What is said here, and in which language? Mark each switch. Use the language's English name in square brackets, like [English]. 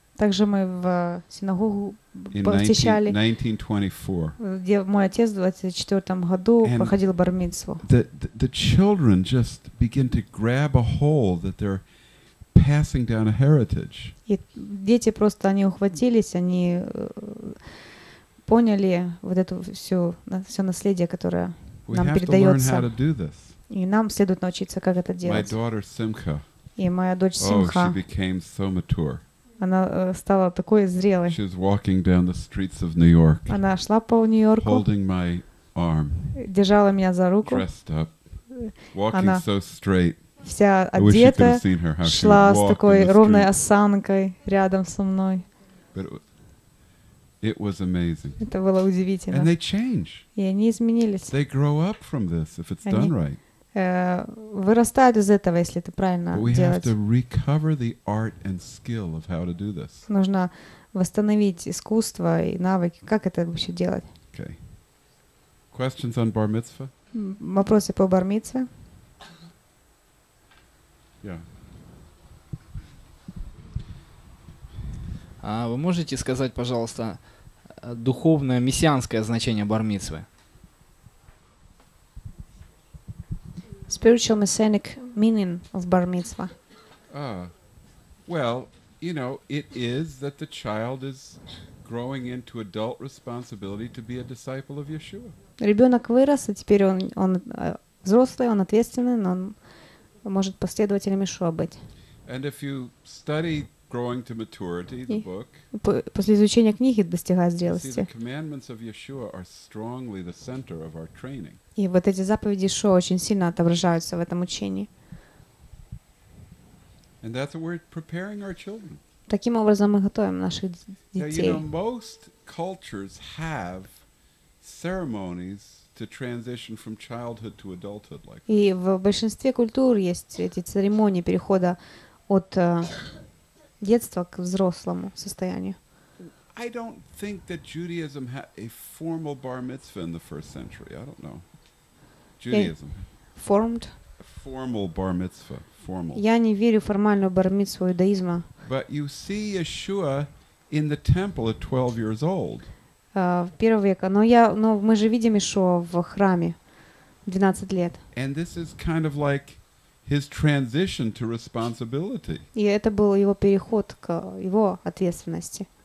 [Russian] Также мы в синагогу посещали. [English] In 1924. [Russian] Где мой отец в 24-м году проходил бар мицву. [English] The children just begin to grab a hole that they're passing down a heritage. [Russian] И дети просто они ухватились, они поняли вот это все наследие, которое нам передается. И нам следует научиться, как это делать. [English] My daughter Simcha. [Russian] И моя дочь Симха. [English] She became so mature. [Russian] Она стала такой зрелой. [English] She was walking down the streets of New York. [Russian] Она шла по Нью-Йорку. [English] Holding my arm. [Russian] Держала меня за руку. [English] Dressed up. Walking so straight. [Russian] Вся одета, шла с такой ровной осанкой рядом со мной. [English] It was amazing. [Russian] Это было удивительно. [English] And they change. [Russian] И они изменились. [English] They grow up from this if it's done right. [Russian] Вырастают из этого, если это правильно делать. [English] We have to recover the art and skill of how to do this. [Russian] Нужно восстановить искусство и навыки, как это вообще делать. [English] Okay. Questions on bar mitzvah? [Russian] Вопросы по бар мицве? [English] Yeah. [Russian] А вы можете сказать, пожалуйста, духовное мессианское значение бар-мицвы? [English] Spiritual messianic meaning of bar-мицвы. Well, you know, it is that the child is growing into adult responsibility to be a disciple of Yeshua. [Russian] Ребенок вырос, и теперь он взрослый, он ответственный, но он может последователем Ишуа быть. [English] And if you study Growing to Maturity, the book. [Russian] После изучения книги достигает зрелости. [English] See, the commandments of Yeshua are strongly the center of our training. [Russian] И вот эти заповеди Ишуа очень сильно отображаются в этом учении. [English] And that's what we're preparing our children. [Russian] Таким образом мы готовим наших детей. [English] Now, you know, most cultures have ceremonies to transition from childhood to adulthood, like. [Russian] И в большинстве культур есть эти церемонии перехода от детство к взрослому состоянию. [English] I don't think that Judaism had a formal bar mitzvah in the first century. I don't know. Judaism. Formed? A formal bar mitzvah. Formal. [Russian] Я не верю в формальную бар мицву иудаизма. [English] But you see Yeshua in the temple at 12 years old. [Russian] В первый век. Но мы же видим Ишуа в храме 12 лет. [English] And this is kind of like His transition to responsibility. [Russian] И это был его переход к его ответственности.